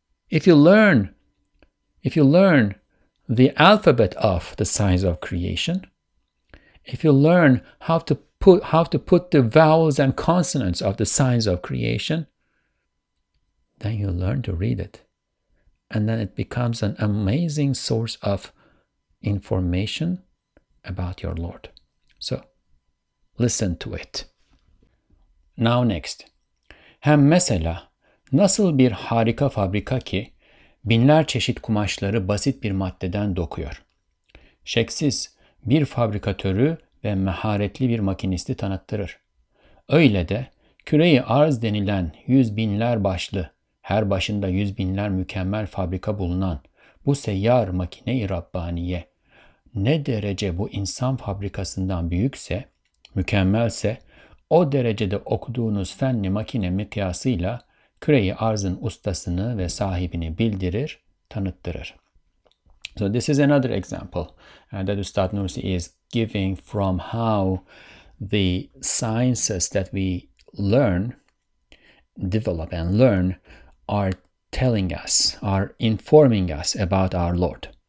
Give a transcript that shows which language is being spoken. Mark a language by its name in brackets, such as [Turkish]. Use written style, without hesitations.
[English] If you learn the alphabet of the science of creation, if you learn how to put the vowels and consonants of the signs of creation, then you learn to read it. And then it becomes an amazing source of information about your Lord. So, listen to it. Now next. [Turkish] Hem mesela, nasıl bir harika fabrika ki, binler çeşit kumaşları basit bir maddeden dokuyor. Şeksiz bir fabrikatörü ve maharetli bir makinisti tanıttırır. Öyle de küreyi arz denilen yüz binler başlı, her başında yüz binler mükemmel fabrika bulunan bu seyyar makine-i Rabbaniye ne derece bu insan fabrikasından büyükse, mükemmelse, o derecede okuduğunuz fenli makine mikyasıyla küreyi arzın ustasını ve sahibini bildirir, tanıttırır. [English] So this is another example that Ustad Nursi is giving from how the sciences that we learn, develop and learn are telling us, are informing us about our Lord.